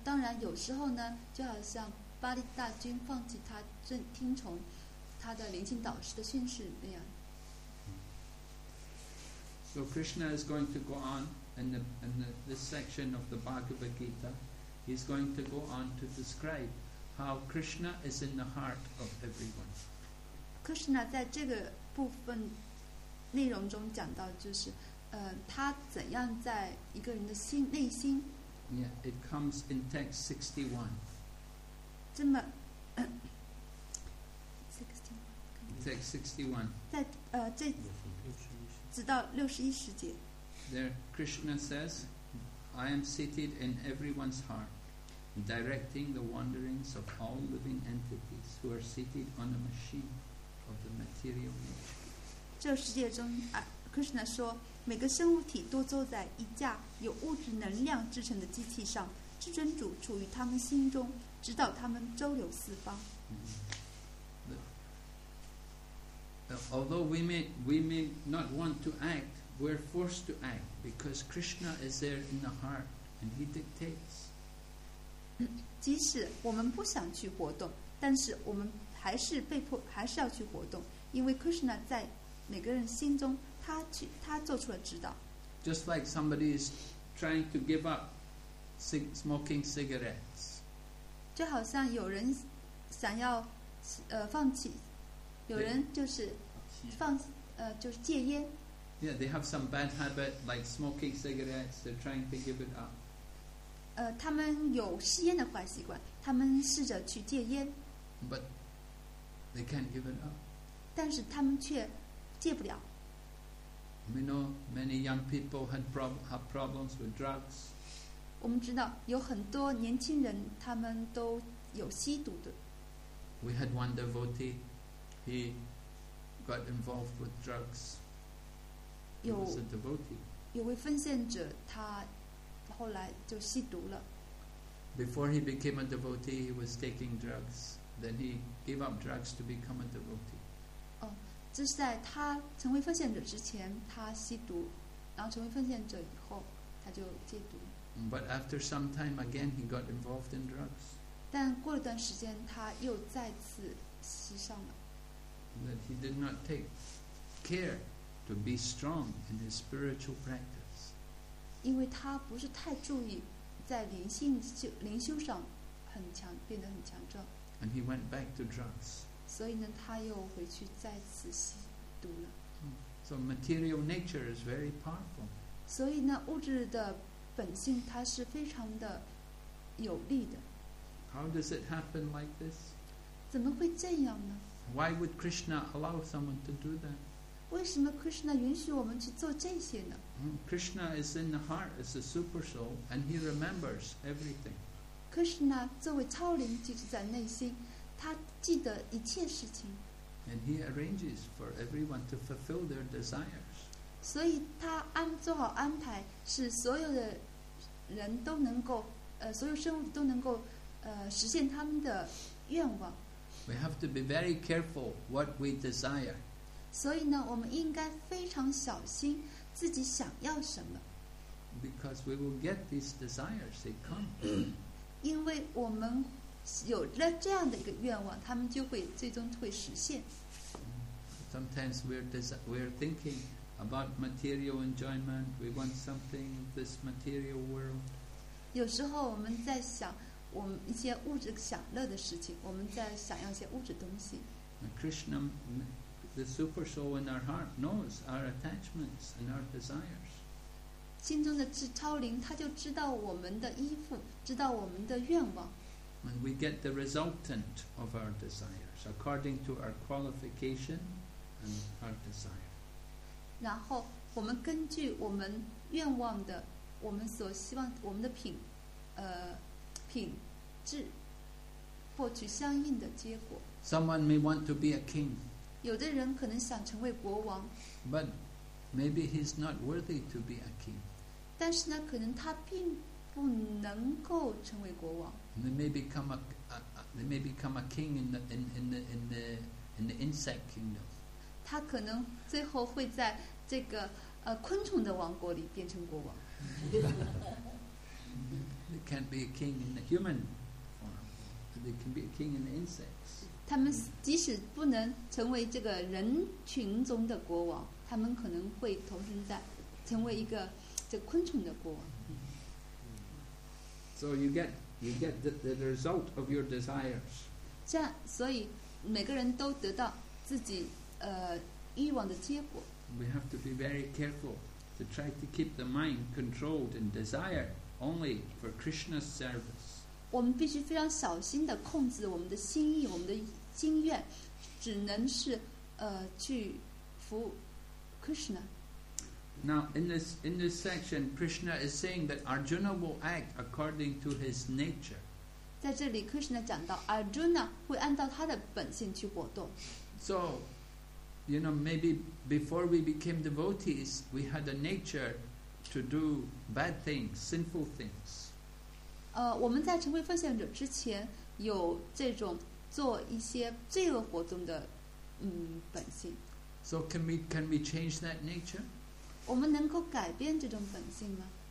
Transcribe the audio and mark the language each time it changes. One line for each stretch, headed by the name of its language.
Chinese: 当然有时候呢，就好像巴利大军放弃他听从他的灵性导师的训示那样。
English: So Krishna is going to go on in this section of the Bhagavad Gita. He's going to go on to describe how Krishna is in the heart of everyone.
Chinese: Krishna 在这个部分内容中讲到，就是他怎样在一个人的心内心。
English: Yeah, it comes in text 61.
Chinese: 这么 61.
English: Text 61.
Chinese: 在直到61十节。
English: There, Krishna says, I am seated in everyone's heart, directing the wanderings of all living entities who are seated on a machine of the material nature.
Chinese: 这十节中Krishna 说，每个生物体都坐在一架有物质能量制成的机器上，至尊主处于他们心中，指导他们周流四方。
English: Although we may not want to act, we're forced to act because Krishna is there in the heart and he dictates.
Chinese: 即使我们不想去活动，但是我们还是被迫还是要去活动，因为 Krishna 在每个人心中，他做出了指导。
English: Just like somebody is trying to give up smoking cigarettes，
Chinese: 就好像有人想要放弃，有人就是放就是戒烟。
English: Yeah, they have some bad habit like smoking cigarettes. They're trying to give it up.
Chinese: 他们有吸烟的坏习惯，他们试着去戒烟。
English: But they can't give it up.
Chinese: 但是他们却戒不了。
English: We know many young people have problems with drugs.
Chinese: 我们知道有很多年轻人他们都有吸毒的。
English: We had one devotee, he got involved with drugs.
Chinese: 有位奉献者，他后来就吸毒了。
English: Before he became a devotee, he was taking drugs. Then he gave up drugs to become a devotee.
Chinese: 哦，这是在他成为奉献者之前，他吸毒，然后成为奉献者以后，他就戒毒。
English: But after some time, again he got involved in drugs.
Chinese: 但过了段时间，他又再次吸上了。
English: That he did not take care. To be strong in his spiritual practice.
Chinese: 因为他不是太注意在灵修上很强，变得很强壮。
English: And he went back to drugs.
Chinese: 所以呢，他又回去再次吸毒了。
English: So material nature is very powerful.
Chinese: 所以呢，物质的本性它是非常的有力的。
English: How does it happen like this?
Chinese: 怎么会这样呢？
English: Why would Krishna allow someone to do that?
Chinese: 为什么 Krishna 允许我们去做这些呢？
English: Krishna is in the heart as a super soul and he remembers everything.
Chinese: Krishna 作为超灵就是在内心，他记得一切事情。
English: And he arranges for everyone to fulfill their desires.
Chinese: 所以他做好安排，使所有的人都能够所有生物都能够实现他们的愿望。
English: We have to be very careful what we desire.
Chinese: 所以呢，我们应该非常小心自己想要什么。
English: Because we will get these desires, they come.
Chinese: 因为我们有了这样的一个愿望，他们就会最终会实现。
English: Sometimes we're thinking about material enjoyment. We want something in this material world.
Chinese: 有时候我们在想我们一些物质享乐的事情，我们在想要一些物质东西。
English: Krishna. The super soul in our heart knows our attachments and our desires.
Chinese: 心中的超灵，他就知道我们的依附，知道我们的愿望。
English: And we get the resultant of our desires according to our qualification and our desire.
Chinese: 然后我们根据我们愿望的，我们所希望我们的品质，获取相应的结果。
English: Someone may want to be a king.
Chinese: 有的人可能想成为国王，
English: but maybe he's not worthy to be a king.
Chinese: 但是呢，可能他并不能够成为国王。
English: They may become a king in the insect kingdom.
Chinese: 他可能最后会在这个昆虫的王国里变成国王。
English: They can't be a king in the human form. They can be a king in the insects.
Chinese: 他们即使不能成为这个人群中的国王，他们可能会投身在成为一个这昆虫的国王。
English: So you get the result of your desires.
Chinese: 这样，所以每个人都得到自己欲望的结果。
English: We have to be very careful to try to keep the mind controlled and desire only for Krishna's service.
Chinese: 我们必须非常小心地控制我们的心意，我们的心愿只能是去服务 Krishna.
English: Now in this section, Krishna is saying that Arjuna will act according to his nature.
Chinese: 在这里 Krishna 讲到 Arjuna 会按照他的本性去活动。
English: So, you know, maybe before we became devotees, we had a nature to do bad things, sinful things.
Chinese: 我们在成为奉献者之前有这种做一些罪恶活动的本性。
English: So can we change that nature?
Chinese: 我们能够改变这种本性吗？